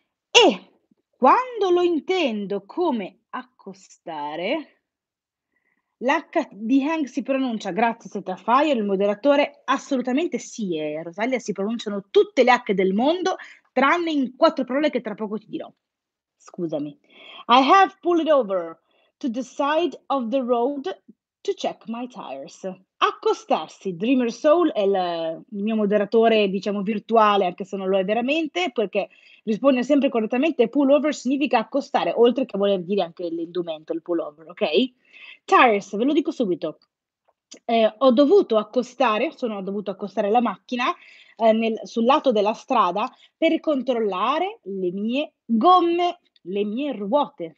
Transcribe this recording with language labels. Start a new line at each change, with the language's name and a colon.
Italian: E quando lo intendo come accostare, l'H di Hank si pronuncia, grazie Setafire, il moderatore, assolutamente sì, Rosalia, si pronunciano tutte le H del mondo, tranne in quattro parole che tra poco ti dirò. Scusami.
English: I have pulled over to the side of the road to check my tires.
Italian: Accostarsi, Dreamer Soul è il mio moderatore, diciamo, virtuale, anche se non lo è veramente, perché risponde sempre correttamente. Pullover significa accostare, oltre che voler dire anche l'indumento, il pullover, ok? Tires, ve lo dico subito. Ho dovuto accostare, sono dovuto accostare la macchina sul lato della strada per controllare le mie gomme, le mie ruote.